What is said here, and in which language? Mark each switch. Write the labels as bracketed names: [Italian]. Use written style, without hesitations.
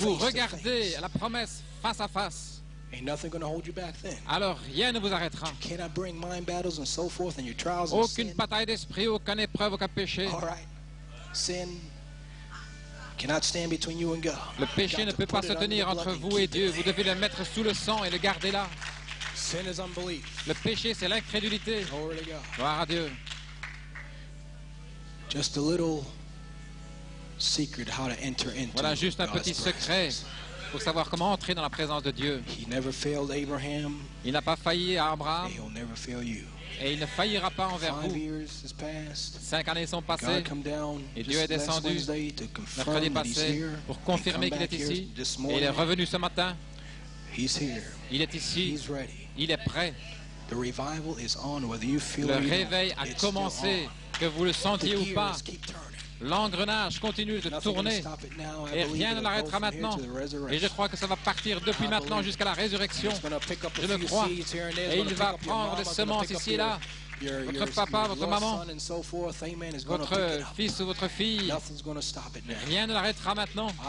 [French] Vous regardez à la promesse face à face. [English] Ain't nothing gonna hold you back then. [French] Alors rien ne vous arrêtera. [English] You cannot bring mind battles and so forth and your trials. [French] Aucune bataille d'esprit, aucune épreuve, aucun péché. [English] All right. Sin cannot stand between you and God. [French] Le péché ne peut pas se tenir entre vous et Dieu. Vous devez le mettre sous le sang et le garder là. [English] Sin is unbelief. [French] Le péché, c'est l'incrédulité. Gloire à Dieu. [English] Just a little secret how to enter into. [French] Voilà juste un petit secret pour savoir comment entrer dans la présence de Dieu. [English] He never failed Abraham. [French] Il n'a pas failli à Abraham. [English] He'll never fail you. [French] Et il ne faillira pas envers [English] Five [French] vous. [English] Years has passed. [French] Cinq années sont passées. [English] God come down [French] et Dieu est descendu mercredi passé pour confirmer qu'il est ici. Et il est revenu ce matin. [English] He's here. [French] Il est ici. [English] He's ready. [French] Il est prêt. [English] The revival is on, whether you feel [French] le réveil a commencé, que vous le sentiez ou pas. L'engrenage continue de tourner et rien ne l'arrêtera maintenant. Et je crois que ça va partir depuis maintenant jusqu'à la résurrection. Je le crois. Et il va prendre des semences ici et là. Votre papa, votre maman, votre fils ou votre fille, rien ne l'arrêtera maintenant.